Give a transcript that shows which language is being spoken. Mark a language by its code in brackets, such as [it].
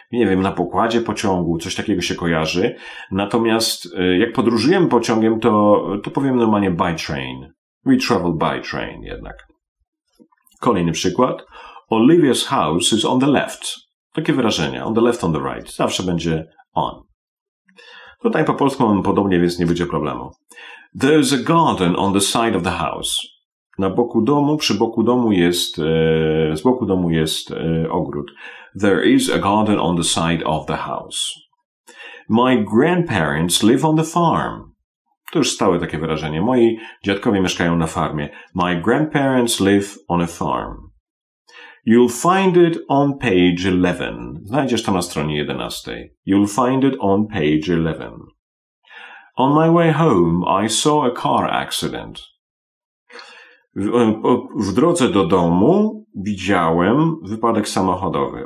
[pl] Nie wiem, na pokładzie pociągu, coś takiego się kojarzy. Natomiast jak podróżujemy pociągiem, to powiem normalnie by train. [en] We travel by train [pl] jednak. Kolejny przykład. [en] Olivia's house is on the left. [pl] Takie wyrażenia. [en] On the left, on the right. [pl] Zawsze będzie on. Tutaj po polsku mam podobnie, więc nie będzie problemu. [en] There's a garden on the side of the house. [pl] Na boku domu, przy boku domu jest, z boku domu jest ogród. [en] There is a garden on the side of the house. My grandparents live on the farm. [pl] To już stałe takie wyrażenie. Moi dziadkowie mieszkają na farmie. [en] My grandparents live on a farm. You'll find it on page 11. [pl] Znajdziesz to na stronie 11. [en] You'll find it on page 11. On my way home, I saw a car accident. [pl] W drodze do domu widziałem wypadek samochodowy.